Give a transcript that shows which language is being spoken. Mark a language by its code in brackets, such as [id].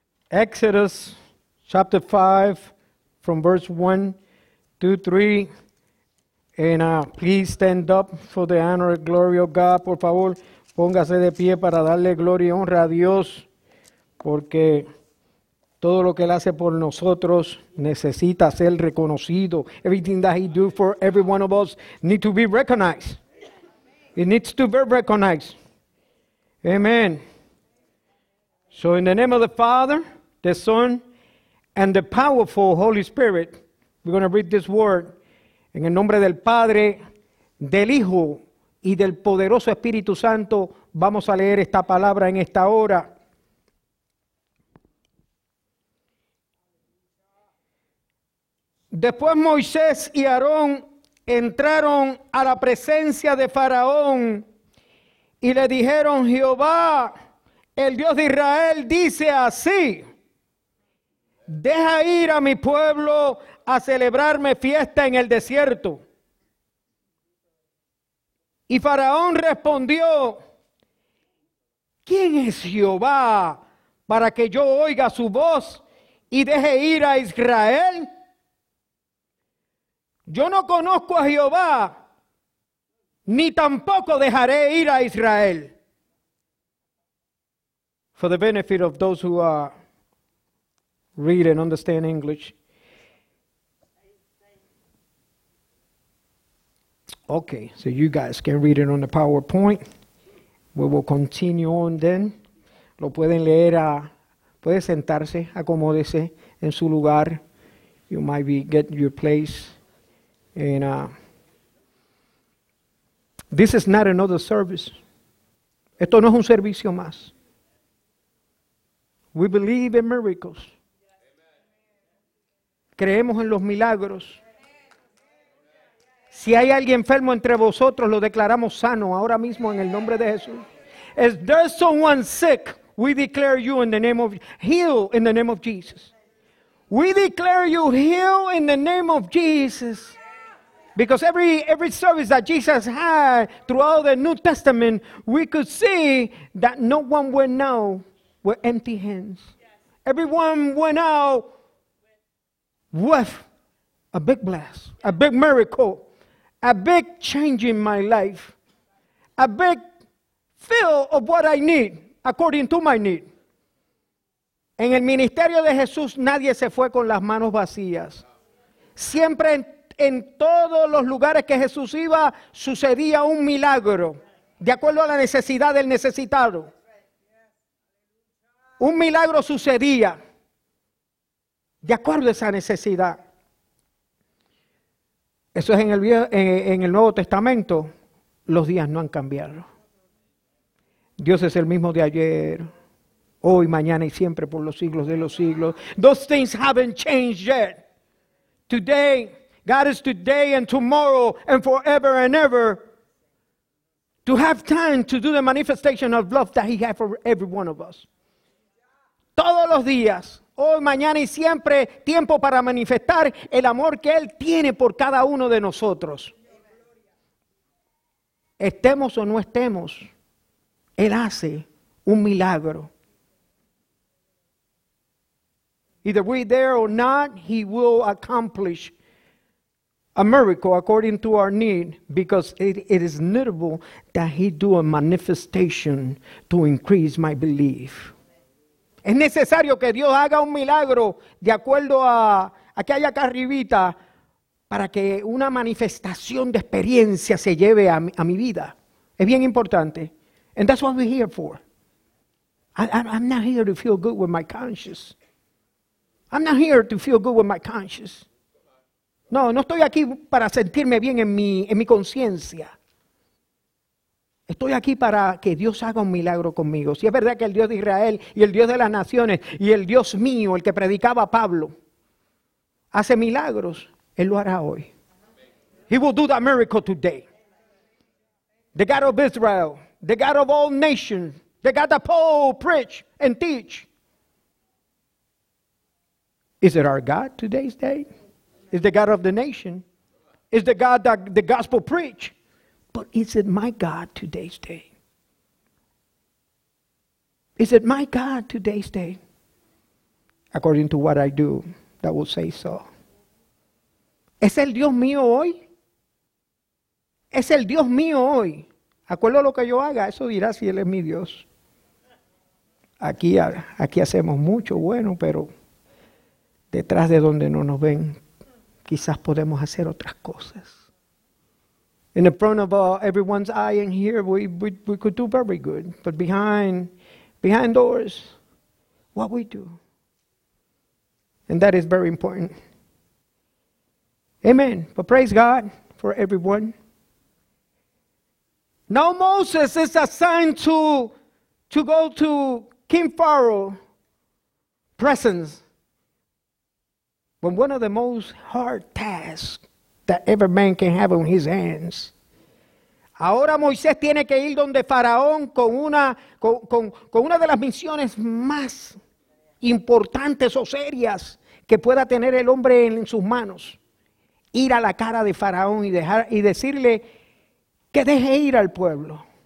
[en] Exodus, chapter 5, from verse 1 to 3. And please stand up for the honor and glory of God. [es] Por favor, póngase de pie para darle gloria y honra a Dios, porque todo lo que Él hace por nosotros necesita ser reconocido. [en] Everything that He do for every one of us needs to be recognized. It needs to be recognized. Amen. So in the name of the Father, the Son, and the powerful Holy Spirit, we're going to read this word. [es] En el nombre del Padre, del Hijo y del poderoso Espíritu Santo, vamos a leer esta palabra en esta hora. Después Moisés y Aarón entraron a la presencia de Faraón y le dijeron: Jehová, el Dios de Israel, dice así: deja ir a mi pueblo a celebrarme fiesta en el desierto. Y Faraón respondió: ¿quién es Jehová para que yo oiga su voz y deje ir a Israel? Yo no conozco a Jehová, ni tampoco dejaré ir a Israel. [en] For the benefit of those who read and understand English. Okay, so you guys can read it on the PowerPoint. We will continue on then. [es] Lo pueden leer, puede sentarse, acomódese en su lugar. [en] You might be getting your place. And This is not another service. [es] Esto no es un servicio más. [en] We believe in miracles. [es] Creemos en los milagros. Si hay alguien enfermo entre vosotros, lo declaramos sano ahora mismo en el nombre de Jesús. [en] If there's someone sick, we declare you in the name of heal in the name of Jesus. We declare you heal in the name of Jesus. Because every service that Jesus had throughout the New Testament, we could see that no one went out with empty hands. Everyone went out with a big blast, a big miracle, a big change in my life, a big feel of what I need, according to my need. [es] En el ministerio de Jesús, nadie se fue con las manos vacías. Siempre en todos los lugares que Jesús iba, sucedía un milagro, de acuerdo a la necesidad del necesitado. Un milagro sucedía, de acuerdo a esa necesidad. Eso es en el Nuevo Testamento. Los días no han cambiado. Dios es el mismo de ayer, hoy, mañana y siempre, por los siglos de los siglos. [en] Those things haven't changed yet. Today, God is today and tomorrow and forever and ever. To have time to do the manifestation of love that he has for every one of us. [es] Todos los días. Hoy, mañana y siempre, tiempo para manifestar el amor que Él tiene por cada uno de nosotros. Estemos o no estemos, Él hace un milagro. [en] Either we're there or not, He will accomplish a miracle according to our need, because it is notable that He do a manifestation to increase my belief. [es] Es necesario que Dios haga un milagro de acuerdo a que haya acá arribita para que una manifestación de experiencia se lleve a mi vida. Es bien importante. [en] And that's what we're here for. I'm not here to feel good with my conscience. I'm not here to feel good with my conscience. [es] No estoy aquí para sentirme bien en mi conciencia. Estoy aquí para que Dios haga un milagro conmigo. Si es verdad que el Dios de Israel y el Dios de las naciones y el Dios mío, el que predicaba a Pablo, hace milagros, Él lo hará hoy. [en] He will do that miracle today. The God of Israel, the God of all nations, the God that Paul preach and teach. Is it our God today's day? Is the God of the nation? Is the God that the gospel preach? But is it my God today's day? Is it my God today's day? According to what I do, that will say so. [es] ¿Es el Dios mío hoy? ¿Es el Dios mío hoy? Acuerdo lo que yo haga, eso dirá si Él es mi Dios. Aquí hacemos mucho bueno, pero detrás de donde no nos ven, quizás podemos hacer otras cosas. [en] In the front of everyone's eye in here, we could do very good. But behind doors, what we do. And that is very important. Amen. But praise God for everyone. Now Moses is assigned to go to King Pharaoh's presence. When one of the most hard tasks that every man can have on his hands. [es] Ahora Moisés tiene que ir donde Faraón con una de las misiones más importantes o serias que pueda tener el hombre en sus manos. Ir a la cara de Faraón y decirle que deje ir al pueblo.